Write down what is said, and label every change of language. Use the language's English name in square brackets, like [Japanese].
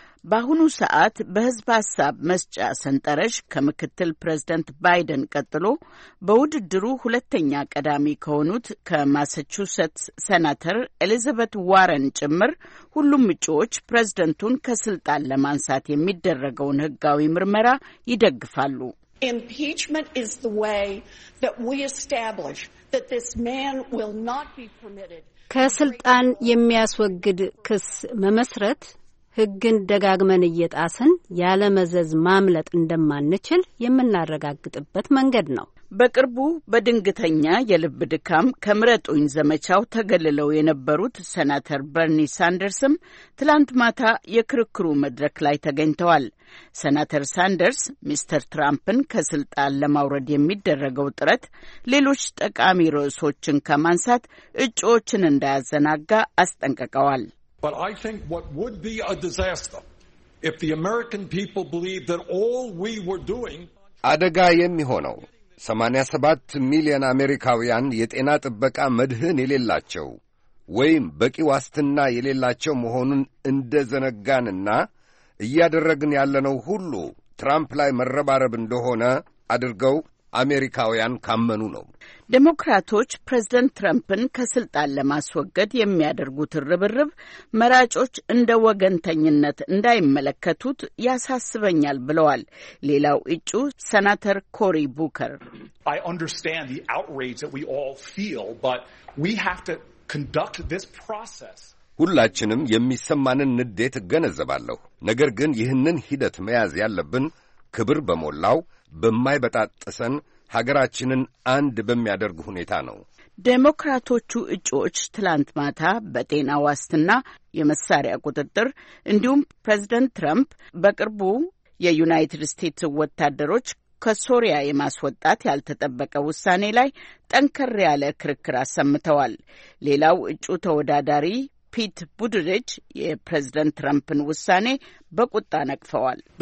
[Amharic] በአሁኑ ሰዓት በሕዝብ ሐሳብ መስጫ ሰንጠረዥ ከምክትል ፕሬዝደንት ባይደን ቀጥሎ በውድድሩ ሁለተኛ ቀዳሚ ከሆኑት ከማሳቹሴትስ ሴናተር ኤሊዛቤት ዋረን ጭምር ሁሉም እጩዎች ፕሬዝደንቱን ከስልጣን ለማንሳት የሚደረገውን ሕጋዊ ምርመራ ይደግፋሉ። [English] Impeachment is the way that we establish that this man will not be permitted. [Amharic] ከስልጣን የሚያስወግድ ክስ መመስረት ህግን ደጋግመን እየጣሰን ያለ መዘዝ ማምለጥ እንደማንችል የምናረጋግጥበት መንገድ ነው። በቅርቡ በድንገተኛ የልብ ድካም ከመረጡኝ ዘመቻው ተገለለው የነበሩት ሴናተር በርኒ ሳንደርስም ትላንት ማታ የክርክሩ መድረክ ላይ ተገኝተዋል። ሴናተር ሳንደርስ ሚስተር ትራምፕን ከስልጣን ለማውረድ የሚደረገው ጥረት ሌሎች ጠቃሚ ርዕሶችን ከማንሳት እጩዎችን እንዳያዘናጋ አስጠንቅቀዋል። [English] But I think what would be a disaster if the American people believed that all we were doing [Amharic] አደጋ የሚሆነው 87 ሚሊዮን አሜሪካውያን የጤና ጥበቃ መድህን የሌላቸው ወይም በቂ ዋስትና የሌላቸው መሆኑን እንደዘነጋንና እያደረግን ያለነው ሁሉ ትራምፕ ላይ መረባረብ እንደሆነ አድርገው አሜሪካውያን ካመኑ ነው። ዴሞክራቶች ፕሬዝደንት ትራምፕን ከስልጣን ለማስወገድ የሚያደርጉት ርብርብ መራጮች እንደ ወገንተኝነት እንዳይመለከቱት ያሳስበኛል ብለዋል። ሌላው እጩ ሴናተር ኮሪ ቡከር [English] I understand the outrage that we all feel but we have to conduct this process [Amharic] ሁላችንም የሚሰማንን ንዴት ገነዘባለሁ። ነገር ግን ይህንን ሂደት መያዝ ያለብን ክብር በመላው በማይበጣጥሰን ሀገራችንን አንድ በሚያደርግ ሁኔታ ነው። ዴሞክራቶቹ እጩዎች ትላንት ማታ በጤና ዋስትና የመሳሪያ ቁጥጥር እንዲሁም ፕሬዝደንት ትራምፕ በቅርቡ የዩናይትድ ስቴትስ ወታደሮች ከሶሪያ የማስወጣት ያልተጠበቀ ውሳኔ ላይ ጠንከር ያለ ክርክር አሰምተዋል። ሌላው እጩ ተወዳዳሪ ፒት ቡድሬጅ የፕሬዝደንት ትራምፕን ውሳኔ በቁጣ ነቅፈዋል።